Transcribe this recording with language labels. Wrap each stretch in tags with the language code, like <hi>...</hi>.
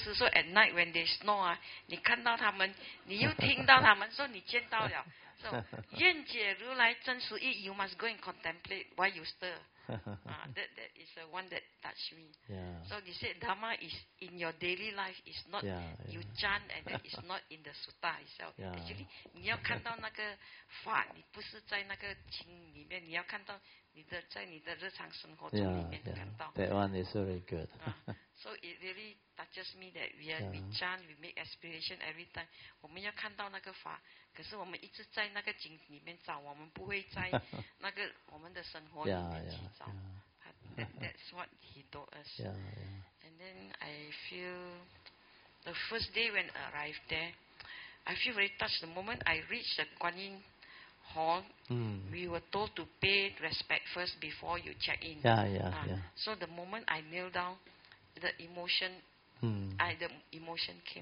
<en>So at night when they snore,</en> <zh>你看到他们, 你又听到他们, 说你见到了,</zh> <en>so</en> <zh>愿解如来真实意,</zh> <en>you must go and contemplate why you stir. That is the one that touched me. So they said Dhamma is in your daily life, it's not you chant, and then it's not in the sutta itself. Actually,</en> <zh>你要看到那个法, 你不是在那个情里面, 你要看到你的在你的日常生活中里面看到.</zh> <en>That one is very good. So it really touches me that we chant, we make aspiration every time.</en> <zh>我们要看到那个法, 可是我们一直在那个景里面找，我们不会在那个我们的生活里面去找。</zh> <en>That's what he told us. And then I feel the first day when I arrived there, I feel very touched. The moment I reached the Kuan Yin Hall, we were told to pay respect first before you check in. So the moment I kneel down, the emotion, the emotion came.</en>